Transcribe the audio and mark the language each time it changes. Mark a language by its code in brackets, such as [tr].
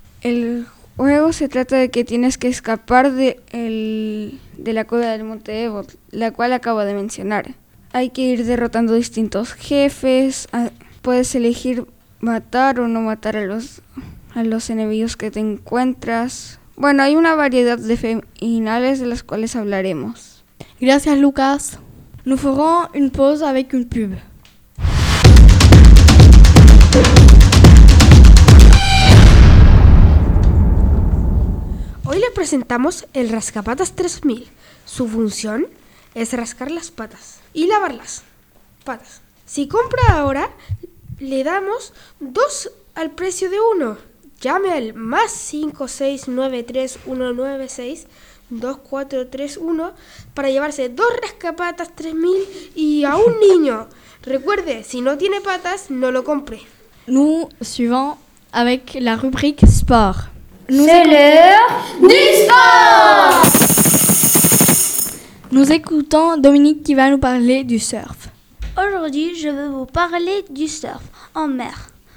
[es] El juego se trata de que tienes que escapar de la cueva del monte Ebot, la cual acabo de mencionar. Hay que ir derrotando distintos jefes, puedes elegir matar o no matar a los enemigos que te encuentras. Bueno, hay una variedad de finales de las cuales hablaremos. Gracias, Lucas. [fr] Nous ferons une pause avec une pub. [es] Hoy les presentamos el Rascapatas 3000. Su función es rascar las patas y lavar las patas. Si compra ahora, le damos 2 al precio de 1. Llame al más 569-3196-2431 para llevarse 2 Rascapatas 3000 y a un niño. Recuerde, si no tiene patas, no lo compre. [fr] Nous suivons avec la rubrique sport. Nous c'est l'heure du sport! Nous écoutons Dominique qui va nous parler du surf. Aujourd'hui, je vais vous parler du surf en mer.